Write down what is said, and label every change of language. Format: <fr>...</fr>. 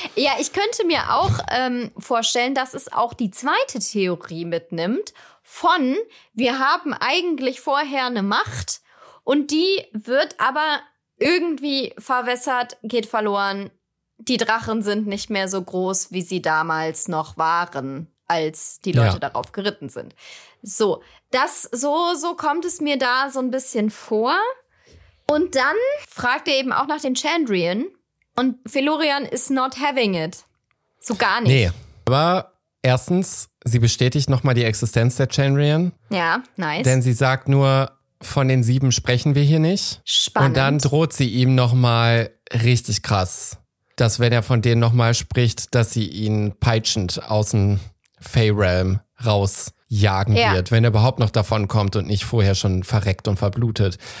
<de>Ja, ich könnte mir auch vorstellen, dass es auch die zweite Theorie mitnimmt von, wir haben eigentlich vorher eine Macht und die wird aber irgendwie verwässert, geht verloren. Die Drachen sind nicht mehr so groß, wie sie damals noch waren, als die Leute darauf geritten sind. So, so kommt es mir da so ein bisschen vor. Und dann fragt er eben auch nach den Chandrian. Und</de> <en>Felurian is not having it.</en> <de>So gar nicht. Nee, aber erstens, sie bestätigt nochmal die Existenz der Chandrian. Ja, nice. Denn sie sagt nur, von den sieben sprechen wir hier nicht. Spannend. Und dann droht sie ihm nochmal richtig krass, dass wenn er von denen nochmal spricht, dass sie ihn peitschend aus dem Feyrealm rausjagen wird, wenn er überhaupt noch davon kommt und nicht vorher schon verreckt und verblutet.</de>